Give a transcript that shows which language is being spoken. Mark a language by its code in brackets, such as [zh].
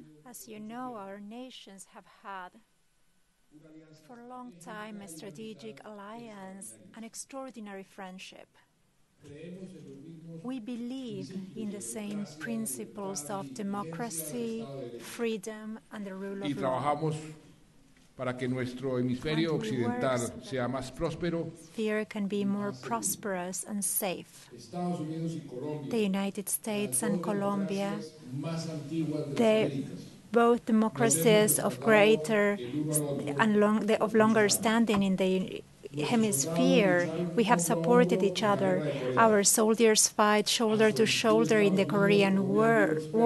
[en] As you know, our nations have had for a long time a strategic alliance, an extraordinary friendship. We believe in the same principles of democracy, freedom, and the rule of law. [es] Y trabajamos para que nuestro hemisferio occidental sea más próspero. [en] Fear can be more prosperous and safe. The United States and Colombia, they both democracies of greater and longer standing in the hemisphere. We have supported each other. Our soldiers fight shoulder to shoulder in the Korean War.